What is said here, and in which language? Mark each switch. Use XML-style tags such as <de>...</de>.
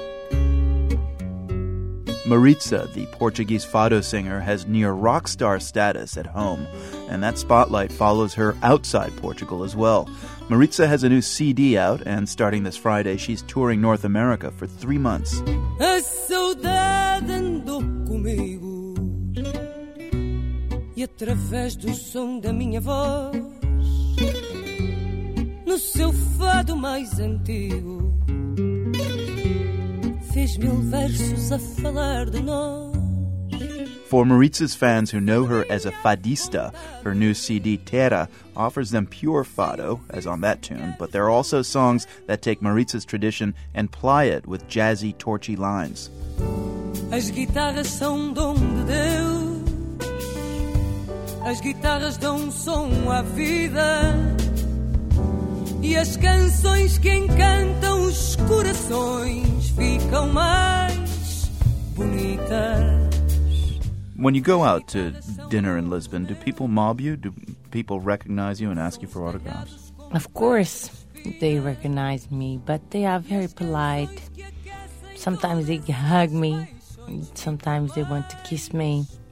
<en>Maritza, the Portuguese fado singer, has near rock star status at home, and that spotlight follows her outside Portugal as well. Maritza has a new CD out, and starting this Friday, she's touring North America for 3 months.</en> <pt>A saudade andou comigo, e através do som da minha voz, no seu fado mais antigo, fez mil versos a falar de nós.</pt> <en>For Maritza's fans who know her as a fadista, her new CD, Terra, offers them pure fado, as on that tune, but there are also songs that take Maritza's tradition and ply it with jazzy, torchy lines.</en> <pt>As guitarras são dom de Deus. As guitarras dão som à vida. E as canções que encantam os corações ficam mais bonitas.</pt> <en>When you go out to dinner in Lisbon, do people mob you? Do people recognize you and ask you for autographs? Of course they recognize me, but they are very polite. Sometimes they hug me. Sometimes they want to kiss me.</en>